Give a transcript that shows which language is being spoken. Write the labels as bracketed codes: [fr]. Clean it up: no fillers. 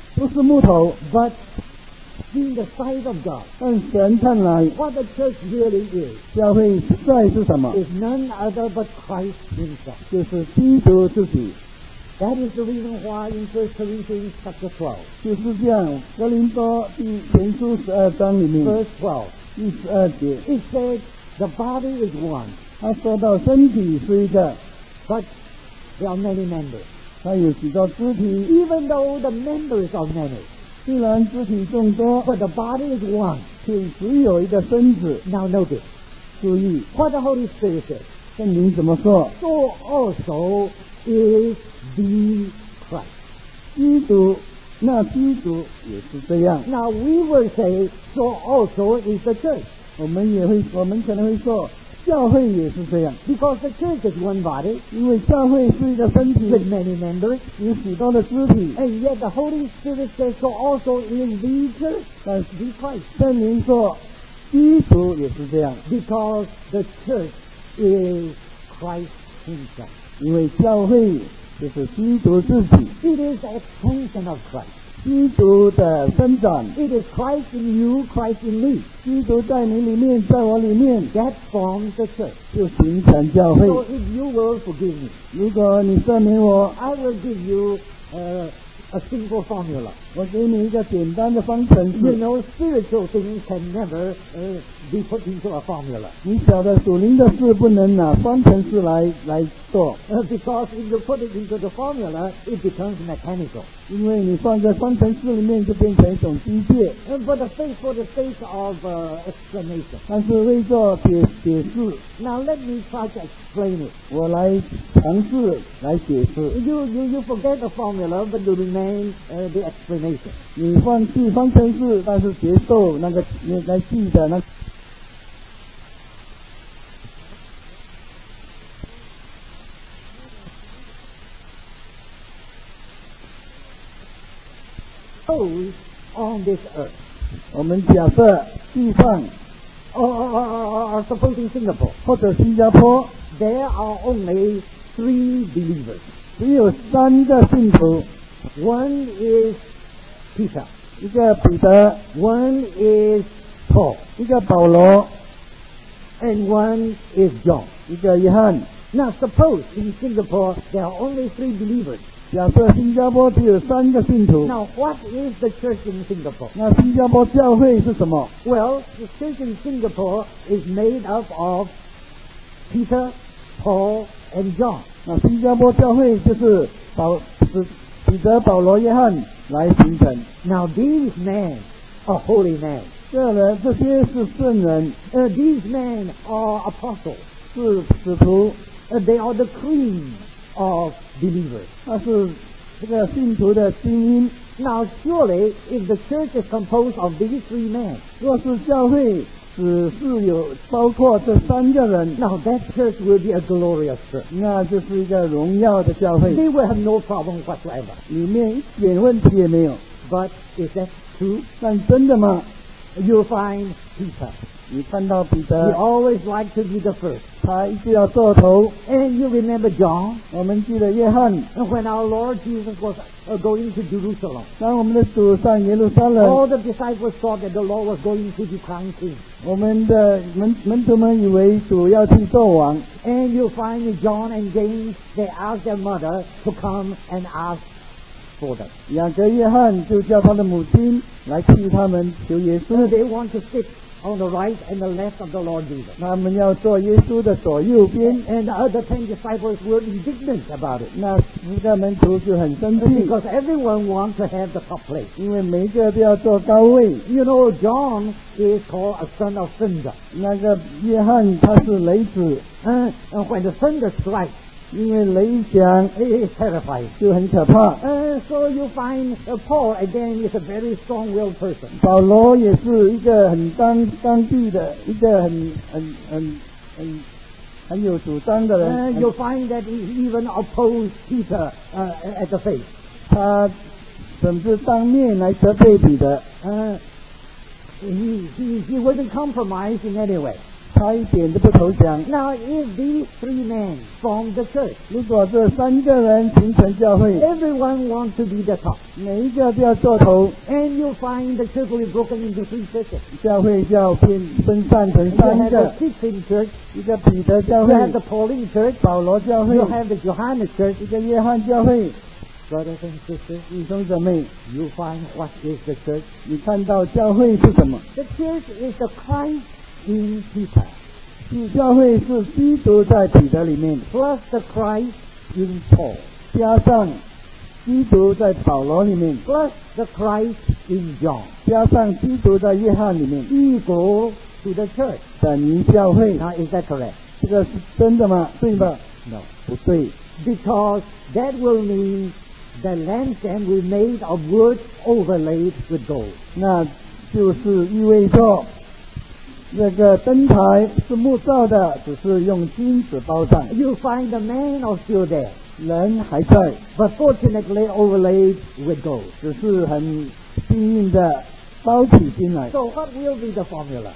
[zh] 都是木头 [en] But in the sight of God [zh] 但神看来 [en] What the church really is [zh] 教会实在是什么 [en] Is none other but Christ himself [zh] 就是基督自己 [en] That is the reason why in 1 Corinthians chapter 12. [zh] 就是这样，哥林多第前书十二章里面。 [en] Verse 12. [zh] 第十二节。 [en] It says the body is one. [zh] 他说到身体是一个。 [en] But there are many members. [zh] 他有许多肢体。 [en] Even though the members are many. [zh] 虽然肢体众多。 [en] But the body is one. [zh] 却只有一个身子。 [en] Now notice. [zh] 注意。 [en] What the Holy Spirit says. [zh] 圣灵怎么说 [en] ？So also is. The Christ [zh] 基督那基督也是这样 [en] Now we will say So also is the church [zh] 我们可能会说教会也是这样 [en] Because the church is one body [zh] 因为教会是一个身体 [en] With many members [zh] 有许多的肢体 [en] And yet the Holy Spirit says So also is the church [zh] 但是 [en] The Christ [zh] 圣灵说基督也是这样 [en] Because the church is Christ himself [zh] 因为教会就是基督自己 [en] It is the extension of Christ [zh] 基督的伸展 [en] It is Christ in you, Christ in me [zh] 基督在你里面在我里面 [en] That forms the church [zh] 就形成教会 [en] So if you will forgive me [zh] 如果你赦免我 [en] I will give you a simple formula [zh] 我给你一个简单的方程式 [en] You know spiritual things can never be put into a formula [zh] 你晓得属灵的事不能拿方程式来做 [en] Because if you put it into the formula it becomes mechanical [zh] 因为你放在方程式里面就变成一种机械 [en] But for the sake of explanation [zh] 但是为做解释 [en] Now let me try to explain it [zh] 我来尝试来解释 [en] You forget the formula but you remain the explanation [zh] 你放弃方程式但是接受那个你来记得那个 [en] On this earth, [zh] 我们假设地上 [en] or supposing Singapore, [zh] 或者新加坡 [en] there are only three believers, [zh] 只有三个信徒 [en] One is Peter, [zh] 一个彼得 [en] One is Paul, [zh] 一个保罗 [en] And one is John, [zh] 一个约翰 [en] Now suppose in Singapore there are only three believers. [zh] 假设新加坡只有三个信徒。 [en] Now what is the church in Singapore? [zh] 那新加坡教会是什么？ [en] Well, the church in Singapore is made up of Peter, Paul, and John. [zh] 那新加坡教会就是彼得、保罗、约翰来形成。 [en] Now these men are holy men. [zh] 这些是圣人。 [en] These men are apostles. [zh] 是使徒。 [en] They are the cream of believers. [zh] 那是这个信徒的精英。 [en] Now surely, if the church is composed of these three men, [zh] 若是教会只是有包括这三个人， [en] Now that church will be a glorious church. [zh] 那就是一个荣耀的教会。 [en] They will have no problem whatsoever. [zh] 里面一点问题也没有。 [en] But is that true? [zh] 但真的吗？ [en] You'll find Peter. [zh] 你看到彼得。 [en] He always liked to be the first. [zh] 他一直要做头。 [en] And you remember John? [zh] 我们记得约翰。 [en] When our Lord Jesus was going to Jerusalem. [zh] 当我们的主上耶路撒冷。 [en] All the disciples thought that the Lord was going to be crowned king. [zh] 我们的门徒们以为主要去做王。 [en] And you find John and James, they asked their mother to come and ask. [zh] 雅各、约翰就叫他的母亲来替他们求耶稣。 [en] They want to sit on the right and the left of the Lord Jesus. [zh] 他们要坐耶稣的左右边。 [en] And the other ten disciples were indignant about it. [zh] 那十个门徒就很生气。 [en] Because everyone wants to have the top place. [zh] 因为每个都要坐高位。 [en] You know, John is called a son of thunder. [zh] 那个约翰他是雷子。 [en] And when the thunder strikes. [zh] 因为雷响 [en] It is terrifying. [zh] 就很可怕。 [en] So you find Paul again is a very strong-willed person. [zh] 保罗也是一个很刚愎的一个很有主张的人。 [en] You find that he even opposed Peter at the face. [zh] 他甚至当面来责备彼得。 [en] He wasn't compromised in any way. [zh] 他一点都不投降。 [en] Now if these three men form the church, [zh] 如果这三个人形成教会， [en] everyone wants to be the top. [zh] 每一个都要做头。 [en] And you find the church will be broken into three churches. [zh] 教会就要分散成三个。 [en] You have the Christian church, [zh] 一个彼得教会。 [en] You have the Pauline church, [zh] 保罗教会。 [en] You have the Johannes church, [zh] 一个约翰教会。 [en] Brothers and sisters, [zh] 弟兄姊妹， [en] you find what is the church? [zh] 你看到教会是什么？ [en] The church is the Christ. In Peter, [zh] 主教会是基督在彼得里面。 [en] Plus the Christ in Paul, [zh] 加上基督在保罗里面。 [en] Plus the Christ in John, [zh] 加上基督在约翰里面。 [en] Equal to the church, [zh] 等于教会。 [en] Now is that correct? [zh] 这个是真的吗？对吗 [en] ？No, [zh] 不对。 [en] Because that will mean the lampstand will be made of wood overlaid with gold. [zh] 那就是意味着。那个灯台是木造的，只是用金子包上。 [en] You find the man are still there. [zh] 人还在。 [en] But fortunately overlaid with gold. [zh] 只是很幸运的包起进来。 [en] So what will be the formula?